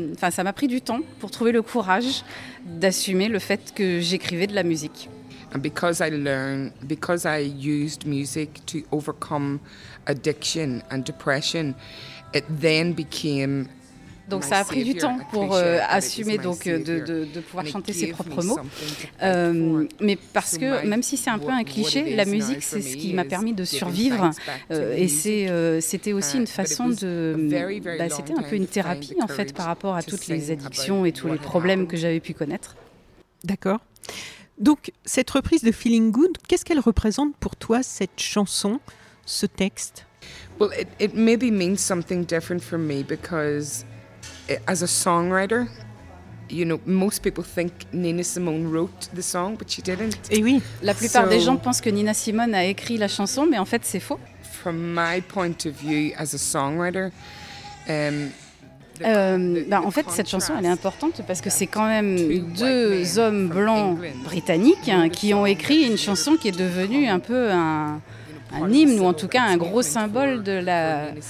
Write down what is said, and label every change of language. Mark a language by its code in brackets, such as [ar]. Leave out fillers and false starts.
[fr] Ça m'a pris du temps pour trouver le courage d'assumer le fait que j'écrivais de la musique. [en] And because I used music to overcome addiction and depression, it then became. [fr] Donc ça a pris du temps pour assumer donc de pouvoir chanter ses propres mots. Mais parce que même si c'est un peu un cliché, la musique, c'est ce qui m'a permis de survivre. C'était aussi une façon de... c'était un peu une thérapie, en fait, par rapport à toutes les addictions et tous les problèmes que j'avais pu connaître. D'accord. Donc, cette reprise de Feeling Good, qu'est-ce qu'elle représente pour toi, cette chanson, ce texte ? [en] Well, it maybe means something different for me because... As a songwriter, you know, most people think Nina Simone wrote the song, but she didn't. [fr] Et oui, la plupart des gens pensent que Nina Simone a écrit la chanson, mais en fait, c'est faux. [en] From my point of view as a songwriter, [fr] En fait, cette chanson, elle est importante parce que c'est quand même deux hommes blancs britanniques qui ont écrit une chanson qui est devenue un peu un hymne, ou en tout cas un gros symbole de la...